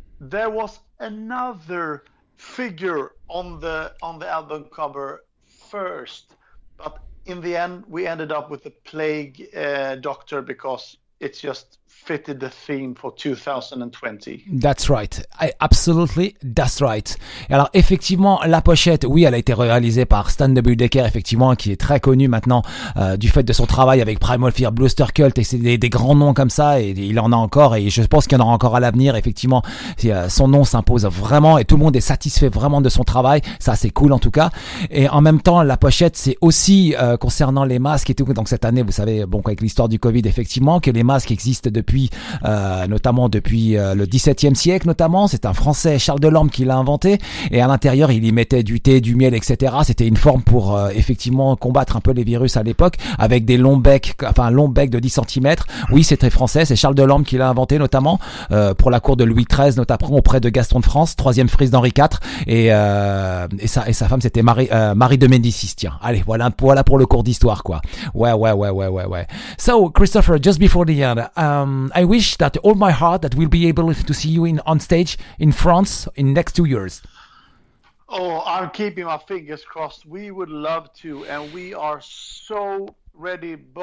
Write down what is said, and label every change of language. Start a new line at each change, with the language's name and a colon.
English: There was another figure on the album cover first, but in the end, we ended up with the Plague Doctor because it just fitted the theme for 2020. That's right. Absolutely, that's right.
French: Et alors, effectivement, la pochette, oui, elle a été réalisée par Stan W. Decker, effectivement, qui est très connu maintenant du fait de son travail avec Primal Fear, Blooster Cult, et c'est des grands noms comme ça, et il en a encore, et je pense qu'il y en aura encore à l'avenir, effectivement. Son nom s'impose vraiment, et tout le monde est satisfait vraiment de son travail. Ça, c'est cool, en tout cas. Et en même temps, la pochette, c'est aussi concernant les masques et tout. Donc, cette année, vous savez, bon, avec l'histoire du Covid, effectivement, que les masques existent depuis le 17e siècle notamment. C'est un Français, Charles Delorme, qui l'a inventé, et à l'intérieur il y mettait du thé, du miel, etc. C'était une forme pour effectivement combattre un peu les virus à l'époque, avec des longs becs, enfin un long bec de 10 cm. Oui, c'est très français, c'est Charles Delorme qui l'a inventé notamment pour la cour de Louis XIII, notamment auprès de Gaston de France, troisième frise d'Henri IV, et sa femme c'était Marie de Médicis. Tiens, allez, voilà pour le cours d'histoire, quoi. Ouais.
English: So Christopher, just before the end, I wish that all my heart that we'll be able to see you on stage in France in next 2 years. Oh, I'm keeping my fingers crossed. We would love to, and we are so ready.